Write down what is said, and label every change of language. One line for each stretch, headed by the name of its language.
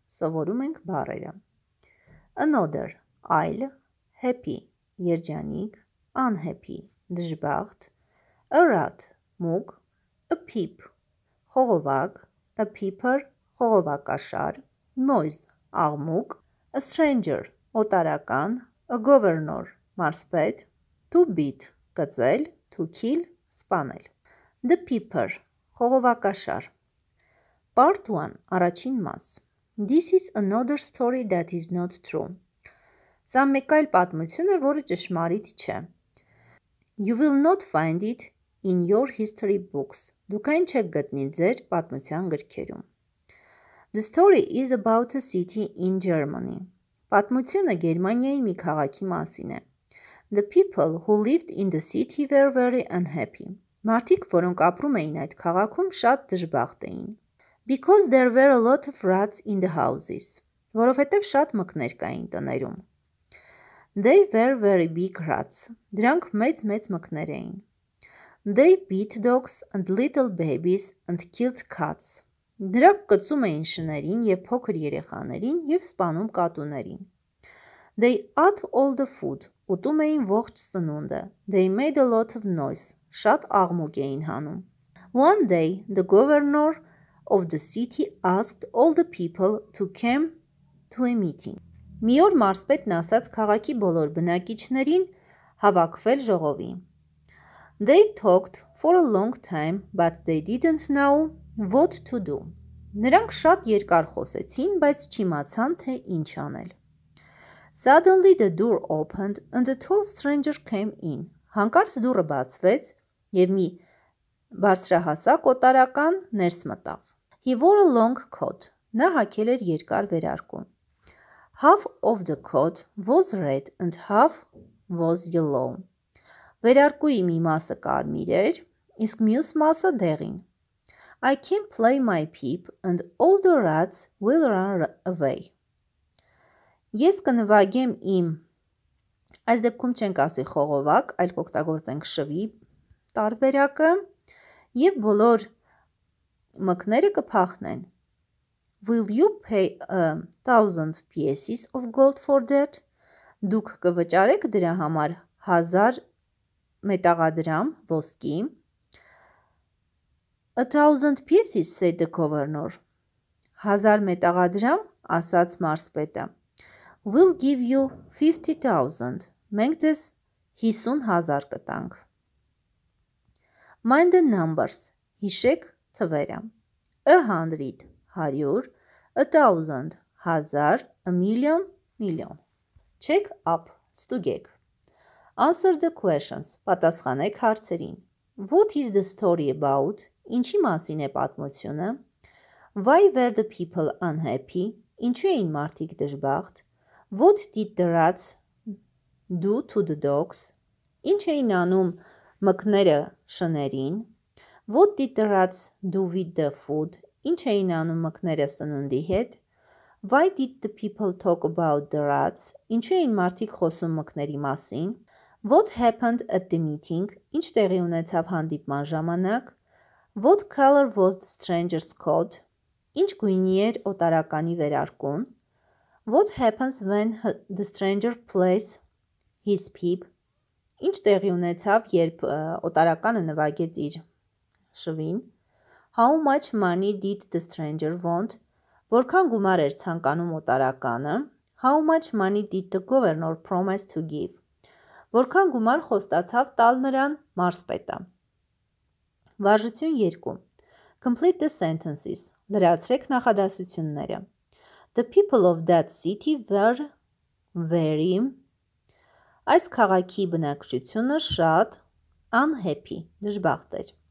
Armenian: Սովորում ենք բառերը. Another, այլ, happy, երջանիկ, unhappy, դժբախտ, a rat, մուկ, a peep, խողովակ, a peeper, խողովակաշար, noise, աղմուկ, a stranger, օտարական, a governor, մարսպետ, to beat, կծել, to kill, սպանել.
English: The peeper, խողովակաշար. Part 1, առաջին մաս. This is another story that is not true.
Armenian: Սա մեկ այլ պատմություն է, որը ճշմարիտ չէ.
English: You will not find it in your history books.
Armenian: Դուք այն չեք գտնի ձեր պատմության գրքերում.
English: The story is about a city in Germany.
Armenian: Պատմությունը Գերմանիայի մի քաղաքի մասին է.
English: The people who lived in the city were very unhappy.
Armenian: Մարդիկ, որոնք ապրում էին այդ քաղաքում, շատ դժբախտ էին.
English: Because there were a lot of rats in the houses.
Armenian: Որովհետև շատ մկներ կային տներում.
English: They were very big rats.
Armenian: Դրանք մեծ-մեծ մկներ էին.
English: They beat dogs and little babies and killed cats.
Armenian: Դրանք կծում էին շներին և փոքր երեխաներին և սպանում կատուներին.
English: They ate all the food.
Armenian: Ուտում էին ողջ սնունդը.
English: They made a lot of noise.
Armenian: Շատ աղմուկ էին հանում.
English: One day, the governor of the city asked all the people to come to a meeting.
Armenian: Մի օր մարսպետն ասաց քաղաքի բոլոր բնակիչներին հավաքվել ժողովի.
English: They talked for a long time, but they didn't know what to do.
Armenian: Նրանք շատ երկար խոսեցին, բայց չիմացան, թե ինչ անել.
English: Suddenly the door opened and a tall stranger came in.
Armenian: Հանկարծ դուռը բացվեց և մի բարձրահասակ օտարական ներս մտավ.
English: He wore a long coat.
Armenian: Նա հագել էր երկար վերարկուն.
English: Half of the coat was red and half was yellow.
Armenian: Վերարկուի մի մասը կարմիր էր, իսկ մյուս մասը դեղին.
English: I can't play my peep and all the rats will run away.
Armenian: Ես կնվագեմ իմ, այս դեպքում չենք ասի խողովակ, այլ կօգտագործենք շվի տարբերակը, և բոլոր մկները կփախնեն.
English: Will you pay 1,000 pieces of gold for that?
Armenian: Դուք կվճարեք դրա համար 1,000 մետաղադրամ ոսկի.
English: 1,000 pieces, said the governor.
Armenian: 1,000 մետաղադրամ, ասաց մարսպետը.
English: We'll give you 50,000.
Armenian: Մենք ձեզ 50,000 կտանք.
English: Mind the numbers.
Armenian: Հիշեք թվերը. 100, 100.
English: A thousand, հազար, a million, million. Check up, ստուգեք. Answer the questions,
Armenian: պատասխանեք հարցերին.
English: What is the story about?
Armenian: Ինչի մասին է պատմությունը?
English: Why were the people unhappy?
Armenian: Ինչու էին մարդիկ դժբախտ?
English: What did the rats do to the dogs?
Armenian: Ինչ էին անում մկները շներին?
English: What did the rats do with the food?
Armenian: Ինչ էին անում մկները սնունդի հետ?
English: Why did the people talk about the rats?
Armenian: Ինչու էին մարդիկ խոսում մկների մասին?
English: What happened at the meeting?
Armenian: Ինչ տեղի ունեցավ հանդիպման ժամանակ?
English: What color was the stranger's coat?
Armenian: Ինչ գույնի էր օտարականի վերարկուն?
English: What happens when the stranger plays his peep?
Armenian: Ինչ տեղի ունեցավ, երբ օտարականը նվագեց իր շվին?
English: How much money did the stranger want?
Armenian: Որքան գումար էր ցանկանում օտարականը?
English: How much money did the governor promise to give?
Armenian: Որքան գումար խոստացավ տալ նրան մարսպետը? Վարժություն 2.
English: Complete the sentences.
Armenian: Լրացրեք նախադասությունները.
English: The people of that city were very...
Armenian: Այս քաղաքի բնակչությունը շատ unhappy, դժբախտ էր.